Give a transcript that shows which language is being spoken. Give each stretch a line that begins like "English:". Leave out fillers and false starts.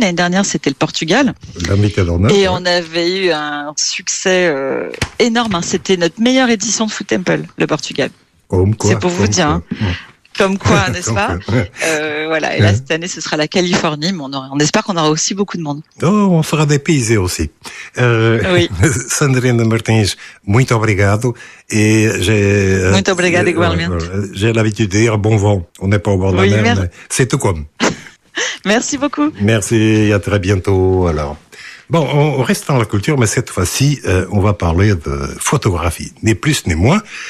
French: L'année dernière c'était le Portugal. On avait eu un succès énorme. C'était notre meilleure édition de Food Temple, le Portugal. Comme quoi. C'est pour vous dire. Comme quoi, n'est-ce pas? Voilà. Et là, cette année, ce sera la Californie, mais on espère qu'on aura aussi beaucoup de monde. Oh, on fera des paysés aussi. Oui.
Portuguese: Sandrine Martins, muito obrigado.
French: Et j'ai.
Portuguese: Muito obrigado, igualmente.
French: J'ai l'habitude de dire bon vent. On n'est pas au bord de la mer. Mais c'est tout comme. Merci beaucoup. Merci, à très bientôt, alors. Bon, on reste dans la culture, mais cette fois-ci, on va parler de photographie. Ni plus, ni moins.